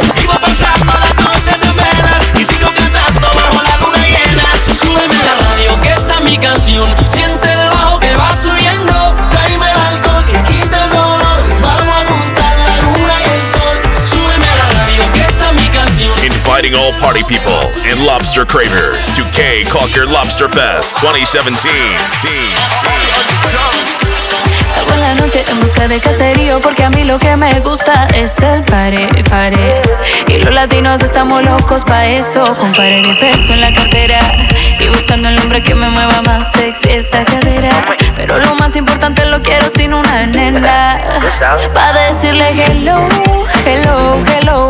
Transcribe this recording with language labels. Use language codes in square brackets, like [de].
[es] Vivo pensando las noches en velas y sigo cantando bajo la luna llena. Súbeme la radio que está mi canción. Siente el bajo que va subiendo. Tráeme el alcohol que quita el dolor. Vamos a juntar la luna y el sol. Súbeme a la radio que está mi canción. [en] Inviting all party people and lobster cravers to Caye, Caulker Lobster Fest 2017. [es] Salgo en la noche en busca de caserío, porque a mí lo que me gusta es el pare. Y los latinos estamos locos pa' eso. Con pare de peso en la cartera y buscando el hombre que me mueva más sexy esa cadera. Pero lo más importante lo quiero sin una nena, pa' decirle [en] hello, hello, hello.